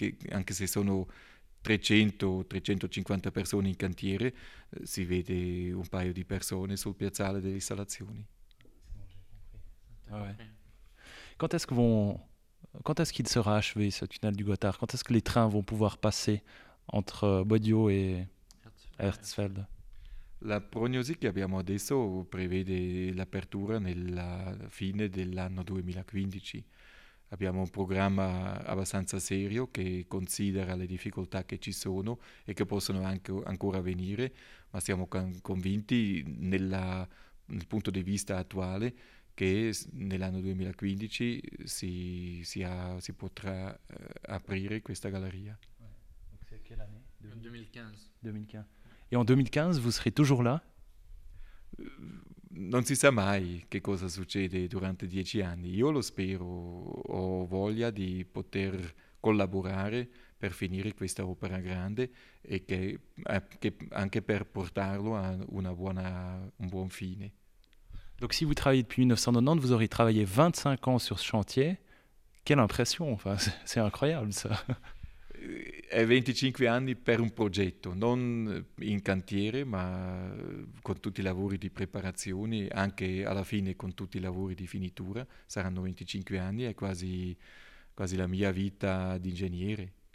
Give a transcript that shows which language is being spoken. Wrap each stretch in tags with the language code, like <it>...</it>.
<it>Anche se sono 300-350 persone in cantiere, si vede un paio di persone sul piazzale delle installazioni.</it> <fr>Quand est-ce qu'il sera achevé ce tunnel du Gotthard? Quand est-ce que les trains vont pouvoir passer entre Bodio et Hertzfeld?</fr> <it>La prognosi che abbiamo adesso prevede l'apertura nella fine dell'anno 2015. Abbiamo un programma abbastanza serio che considera le difficoltà che ci sono e che possono anche ancora venire, ma siamo convinti nel punto di vista attuale che nell'anno 2015 si potrà aprire questa galleria.</it> <fr>Ouais. Donc, quelle année? 2015. Et en 2015, vous serez toujours là?</fr> <it>Non si sa mai che cosa succede durante 10 anni. Io lo spero, ho voglia di poter collaborare per finire questa opera grande e che anche per portarlo a un buon fine.</it> <fr>Donc si vous travaillez depuis 1990, vous aurez travaillé 25 ans sur ce chantier. Quelle impression, enfin, c'est incroyable ça.</fr> <it>È 25 anni per un progetto, non in cantiere, ma con tutti i lavori di preparazione, anche alla fine con tutti i lavori di finitura, saranno 25 anni, è quasi la mia vita d'ingegnere.</it>